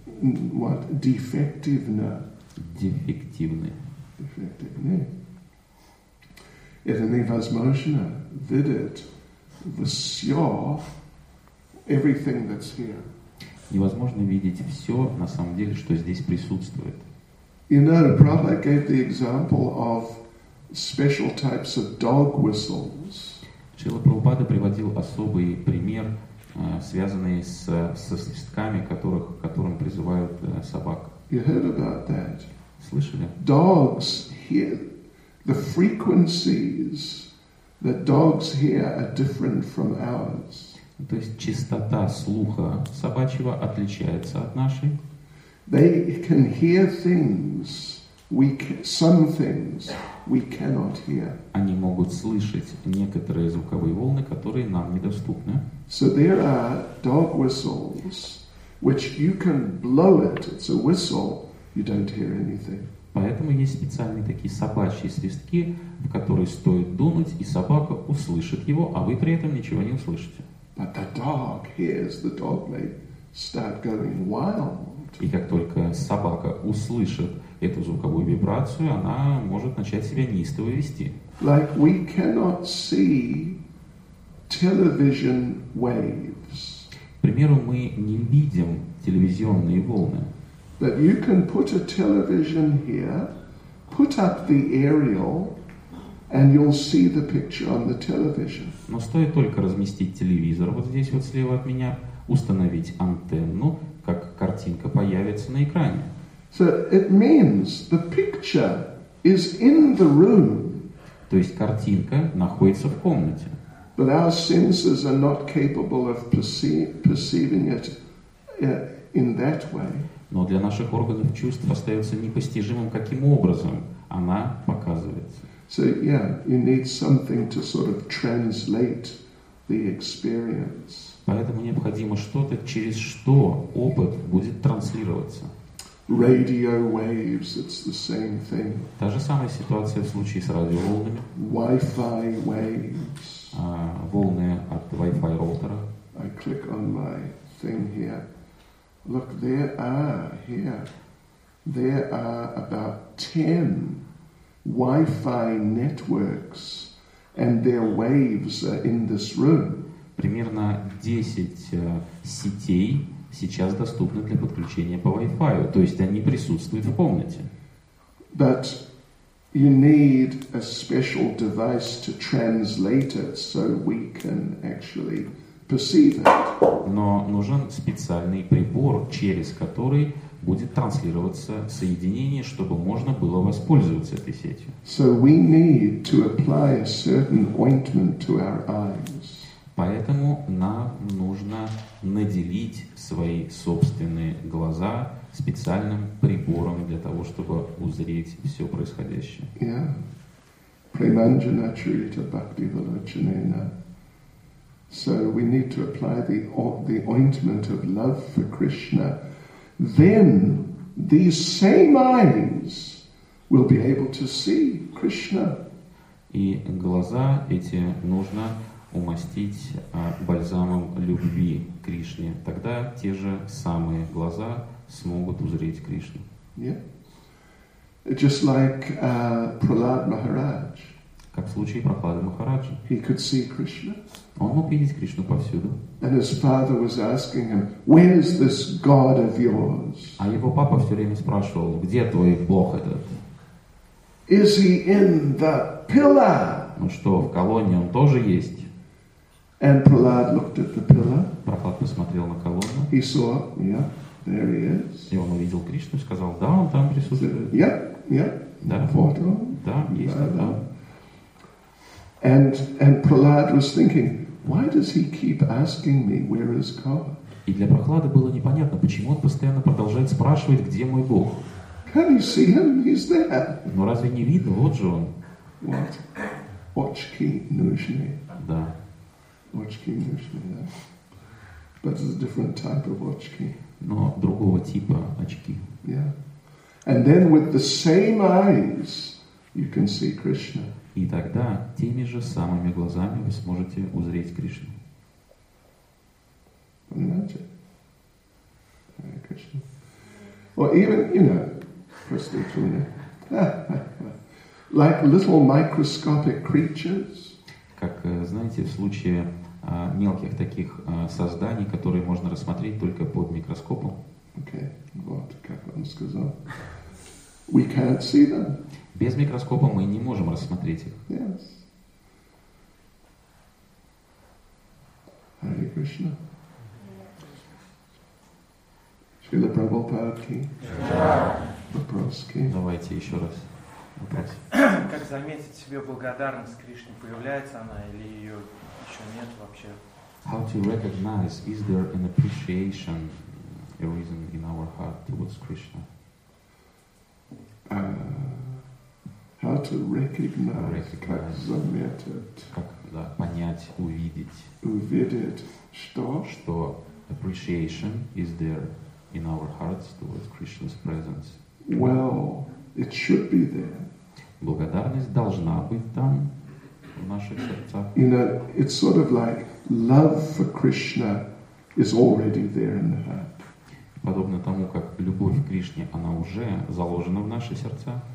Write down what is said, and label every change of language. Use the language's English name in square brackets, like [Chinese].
[Russian] Вот, дефективно. Дефективны. Дефективны. Это невозможно видеть все, [English] everything that's here. [Russian] Невозможно видеть все, на самом деле, что здесь присутствует. [English] You know, Prabhupada gave the example of special types of dog whistles. [Russian] Шрила Прабхупада приводил особый пример, связанный со свистками, которым призывают собак. [English] You heard about that? [Russian] Слышали? [English] Dogs hear the frequencies that dogs hear are different from ours. [Russian] То есть частота слуха собачьего отличается от нашей. [English] They can hear things, some things we cannot hear. [Russian] Они могут слышать некоторые звуковые волны, которые нам недоступны. [English] So there are dog whistles, which you can blow it. It's a whistle, you don't hear anything. [Russian] Поэтому есть специальные такие собачьи свистки, в которые стоит дунуть, и собака услышит его, а вы при этом ничего не услышите. [English] But the dog hears, the dog may start going wild. [Russian] И как только собака услышит эту звуковую вибрацию, она может начать себя неистово вести. [English] Like we cannot see television waves. [Russian] К примеру, мы не видим телевизионные волны. [English] But you can put a television here, put up the aerial, and you'll see the picture on the television. [Russian] Но стоит только разместить телевизор вот здесь вот слева от меня, установить антенну, как картинка появится на экране. [English] So it means the picture is in the room. [Russian] То есть картинка находится в комнате. [English] But our senses are not capable of perceiving it in that way. [Russian] Но для наших органов чувств остается непостижимым, каким образом она показывается. [English] So, yeah, you need something to sort of translate the experience. [Russian] Поэтому необходимо что-то, через что опыт будет транслироваться. [English] Radio waves, it's the same thing. [Russian] Та же самая ситуация в случае с радиоволнами. [English] Wi-Fi waves. [Russian] Волны от Wi-Fi роутера. [English] I click on my thing here. Look, there are here. There are about 10 Wi-Fi networks, and their waves are in this room. [Russian] Примерно 10 сетей сейчас доступны для подключения по Wi-Fi, то есть они присутствуют в комнате. [English] But you need a special device to translate it, so we can actually perceive it. [Russian] Но нужен специальный прибор, через который будет транслироваться соединение, чтобы можно было воспользоваться этой сетью. [English] So we need to apply a certain ointment to our eyes. [Russian] Поэтому нам нужно наделить свои собственные глаза специальным прибором для того, чтобы узреть все происходящее. [Sanskrit] Yeah. Преманджана чарита бхакти валачанена. [English] So we need to apply the ointment of love for Krishna. Then these same eyes will be able to see Krishna. [Russian] И глаза эти нужно умастить бальзамом любви Кришне. Тогда те же самые глаза смогут узреть Кришну. [English] Yeah. Just like Prahlad Maharaj. [Russian] Как в случае Прохлады Махараджи. [English] He could see Krishna. [Russian] Он мог видеть Кришну повсюду. [English] And his father was asking him, "Where is this God of yours?" [Russian] А его папа все время спрашивал, где твой Бог этот? [English] Is he in the pillar? [Russian] Ну что, в колонии он тоже есть? [English] And Prahlad looked at the pillar. [Russian] Прохлад посмотрел на колонну. [English] He saw, yeah, there he is. [Russian] И он увидел Кришну и сказал, да, он там присутствует. [English] Yeah, yeah. [Russian] Да. [English] Photo. [Russian] Да, есть он там. [English] And Prahlad was thinking, why does he keep asking me where is God? [Russian] И для Прохлады было непонятно, почему он постоянно продолжает спрашивать, где мой Бог. [English] Can you see him? He's there. [Russian] Но разве не видно? Вот же он. [English] What? [Russian] Очки нужны. Да. Очки нужны. Да. [English] But it's a different type of очки. [Russian] Но другого типа очки. [English] Yeah. And then with the same eyes, you can see Krishna. [Russian] И тогда теми же самыми глазами вы сможете узреть Кришну. Понимаете? [English] Hare Krishna. Or even, you know, Krishna Tuna. Like little microscopic creatures. [Russian] Как, знаете, в случае мелких таких созданий, которые можно рассмотреть только под микроскопом. [English] Okay, [Russian] вот, как он сказал. [English] We can't see them. [Russian] Без микроскопа мы не можем рассмотреть их. [English] Yes. Hare Krishna. [Russian] Srila Prabhupada ki. Вопрос ки. Давайте еще раз. Как заметить себе благодарность Кришне? Появляется она или ее еще нет вообще? [English] How to recognize, is there an appreciation arisen in our heart towards Krishna? How to recognize, [Russian] как заметить? Как, да, понять, увидеть? Увидеть что? Что appreciation is there in our hearts towards Krishna's presence? [English] Well, it should be there. [Russian] Благодарность должна быть там, в наших сердцах. [English] You know, it's sort of like love for Krishna is already there in the heart. [Russian] Подобно тому, как любовь к Кришне, она уже заложена в наши сердца.